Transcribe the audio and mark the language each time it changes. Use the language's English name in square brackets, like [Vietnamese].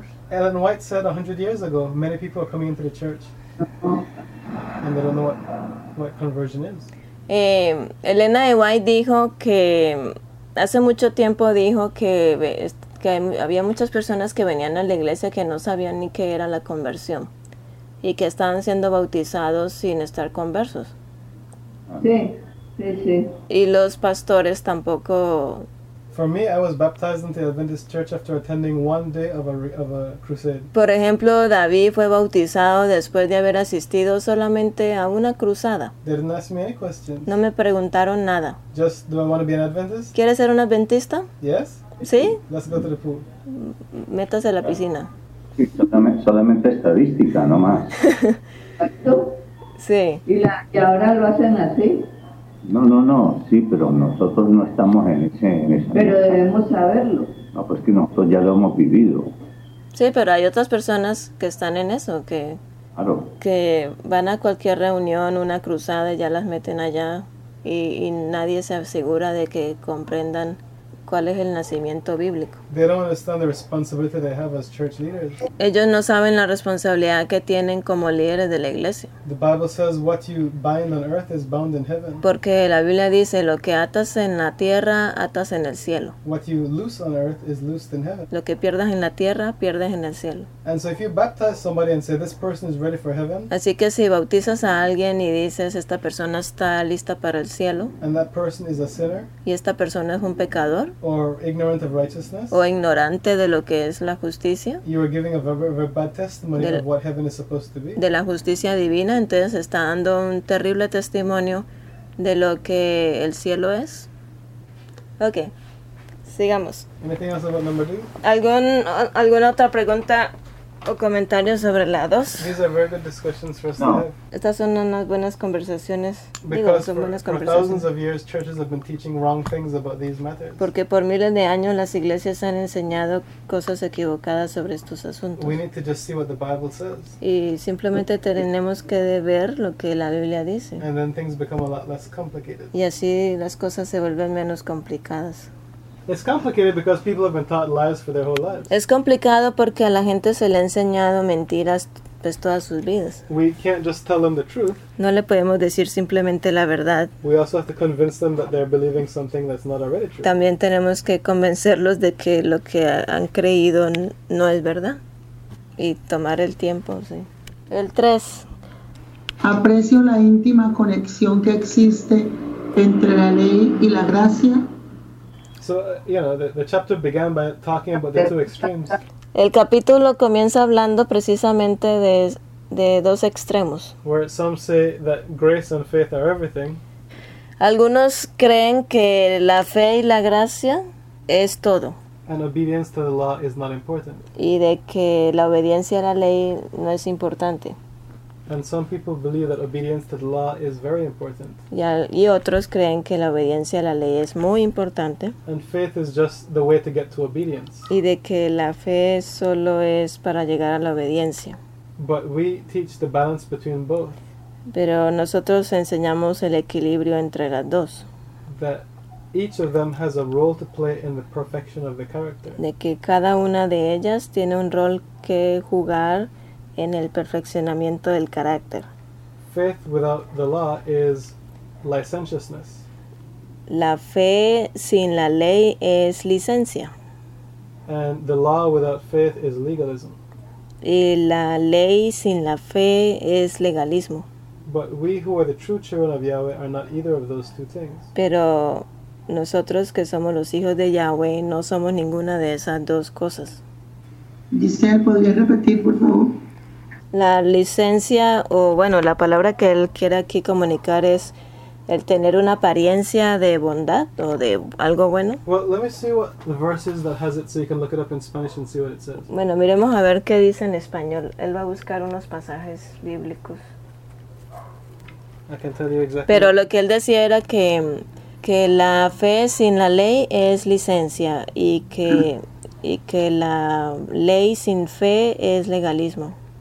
[English] Ellen White said 100 years ago, many people are coming into the church, and they don't know what conversion is. [Spanish] Elena de White dijo que hace mucho tiempo dijo que había muchas personas que venían a la iglesia que no sabían ni qué era la conversión y que estaban siendo bautizados sin estar conversos. Sí. Y los pastores tampoco. [English] For me, I was baptized into the Adventist Church after attending one day of a crusade. [Spanish] Por ejemplo, David fue bautizado después de haber asistido solamente a una cruzada. [English] They didn't ask me any questions. [Spanish] No me preguntaron nada. [English] Just, do I want to be an Adventist? [Spanish] ¿Quieres ser un adventista? [English] Yes. [Spanish] Sí. Let's go to the pool. Métase a la piscina. Solamente estadística, no más. Sí. ¿Y ahora lo hacen así? No, sí, pero nosotros no estamos en ese. Pero debemos saberlo. No, pues que nosotros ya lo hemos vivido. Sí, pero hay otras personas que están en eso, que. Claro. Que van a cualquier reunión, una cruzada, y ya las meten allá, y nadie se asegura de que comprendan cuál es el nacimiento bíblico. [English] They don't understand the responsibility they have as church leaders. [Spanish] Ellos no saben la responsabilidad que tienen como líderes de la iglesia. [English] The Bible says what you bind on earth is bound in heaven. [Spanish] Porque la Biblia dice lo que atas en la tierra atas en el cielo. [English] What you loose on earth is loosed in heaven. [Spanish] Lo que pierdas en la tierra pierdes en el cielo. [English] And so if you baptize somebody and say this person is ready for heaven. [Spanish] Así que si bautizas a alguien y dices esta persona está lista para el cielo. [English] And that person is a sinner. [Spanish] Y esta persona es un pecador. [English] Or ignorant of righteousness. [Spanish] O ignorante de lo que es la justicia. [English] You are giving a very, very bad testimony of what heaven is supposed to be. [Spanish] De la justicia divina, entonces está dando un terrible testimonio de lo que el cielo es. Okay. Sigamos. [English] Anything else about number 2? [Spanish] ¿Alguna otra pregunta o comentario sobre la 2? [English] These are very good discussions for us to have. [Spanish] Estas son unas buenas conversaciones. [English] For thousands of years, churches have been teaching wrong things about these matters. [Spanish] Porque por miles de años las iglesias han enseñado cosas equivocadas sobre estos asuntos. [English] We need to just see what the Bible says. [Spanish] Y simplemente tenemos que ver lo que la Biblia dice. [English] And then things become a lot less complicated. [Spanish] Y así las cosas se vuelven menos complicadas. [English] It's complicated because people have been taught lies for their whole lives. [Spanish] Es complicado porque a la gente se le ha enseñado mentiras pues todas sus vidas. [English] We can't just tell them the truth. [Spanish] No le podemos decir simplemente la verdad. [English] We also have to convince them that they're believing something that's not already true. [Spanish] También tenemos que convencerlos de que lo que han creído no es verdad. Y tomar el tiempo, sí. El 3. Aprecio la íntima conexión que existe entre la ley y la gracia. [English] So, the chapter began by talking about the two extremes. [Spanish] El capítulo comienza hablando precisamente de dos extremos. [English] Where some say that grace and faith are everything. [Spanish] Algunos creen que la fe y la gracia es todo. [English] And obedience to the law is not important. [Spanish] Y de que la obediencia a la ley no es importante. [English] And some people believe that obedience to the law is very important. [Spanish] Y otros creen que la obediencia a la ley es muy importante. [English] And faith is just the way to get to obedience. [Spanish] Y de que la fe solo es para llegar a la obediencia. [English] But we teach the balance between both. [Spanish] Pero nosotros enseñamos el equilibrio entre las dos. [English] That each of them has a role to play in the perfection of the character. [Spanish] De que cada una de ellas tiene un rol que jugar en el perfeccionamiento del carácter. [English] Faith without the law is licentiousness. [Spanish] La fe sin la ley es licencia. [English] And the law without faith is legalism. [Spanish] Y la ley sin la fe es legalismo. [English] But we who are the true children of Yahweh are not either of those two things. [Spanish] Pero nosotros que somos los hijos de Yahweh no somos ninguna de esas dos cosas. Giselle, ¿podría repetir, por favor? La licencia, o bueno, la palabra que él quiere aquí comunicar es el tener una apariencia de bondad o de algo bueno. [English] Well, let me see what the verse is that has it so you can look it up in Spanish and see what it says. [Spanish] Bueno, miremos a ver qué dice en español. Él va a buscar unos pasajes bíblicos. [English] I can tell you exactly. [Spanish] Pero lo que él decía era que la fe sin la ley es licencia y que la ley sin fe es legalismo.